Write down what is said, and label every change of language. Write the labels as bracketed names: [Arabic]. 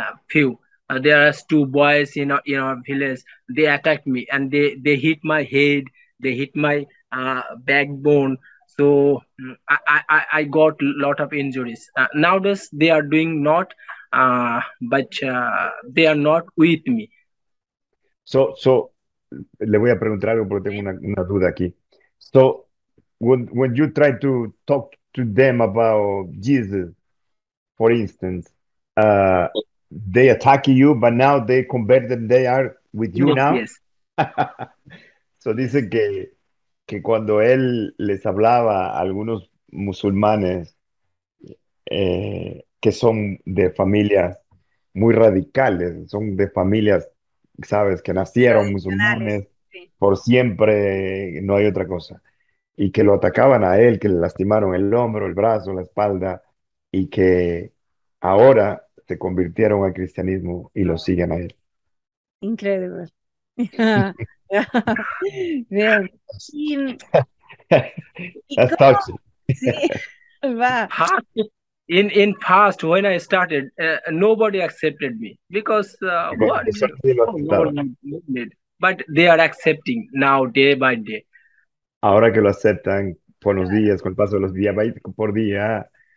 [English] Few there are two boys in our village. They attacked me, and they hit my head. They hit my backbone. So I got a lot of injuries. Nowadays they are doing not, but they are not with me. [Spanish] So, le voy a preguntar algo porque tengo una duda aquí. [English] So, when you try to talk to them about Jesus, for instance, they attack you, but now they converted, they are with you No, now. yes. [Spanish] So, dice que cuando él les hablaba a algunos musulmanes que son de familias muy radicales, son de familias. Sabes que nacieron Tradicionales, musulmanes sí. por siempre, no hay otra cosa. Y que lo atacaban a él, que le lastimaron el hombro, el brazo, la espalda, y que ahora se convirtieron al cristianismo y lo siguen a él. Increíble. Bien. Y [English] That's toxic. [Spanish] sí, va. [English] In past, when I started, nobody accepted me because what [Spanish] De suerte lo aceptaron. [English] no, but they are accepting now day by day. [Spanish] Ahora que lo aceptan por los días, con el paso de los días, por día.